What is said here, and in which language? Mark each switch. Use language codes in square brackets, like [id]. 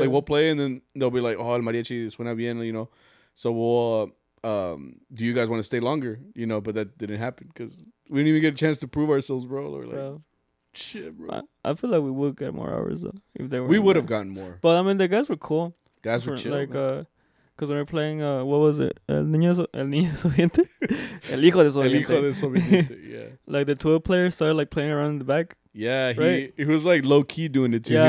[en] Like, we'll play, and then they'll be like, oh, [es] el mariachi suena bien, [en] you know. So we'll. Do you guys want to stay longer? You know, but that didn't happen because we didn't even get a chance to prove ourselves, bro. Or like, shit, bro. I feel like we would get more hours though if they were. We would have gotten more, but I mean, the guys were cool. Guys were chill, like, because when we were playing, what was it? [es] El niño soviente, el hijo de soviente. El hijo de soviente. Yeah. [en] Like the tuba player started like playing around in the back. Yeah, right? He was like low key doing it too. Yeah.